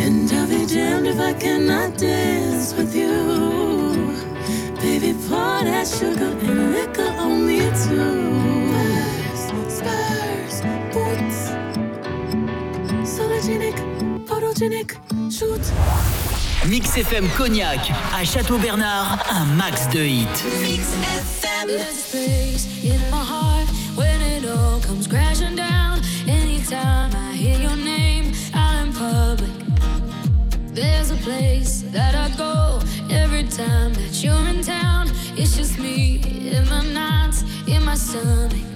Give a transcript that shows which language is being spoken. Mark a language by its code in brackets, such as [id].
[en] And I'll be damned if I cannot dance with you. Baby, pour that sugar and liquor on me too. Spurs, boots. Sologenic, photogenic, shoot. [fr] Mix FM Cognac, à Château Bernard, un max de hit. Mix FM. [en] There's a place in my heart when it all comes crashing down. Anytime I hear your name out in public, there's a place that I go every time that you're in town. It's just me in my knots, in my stomach.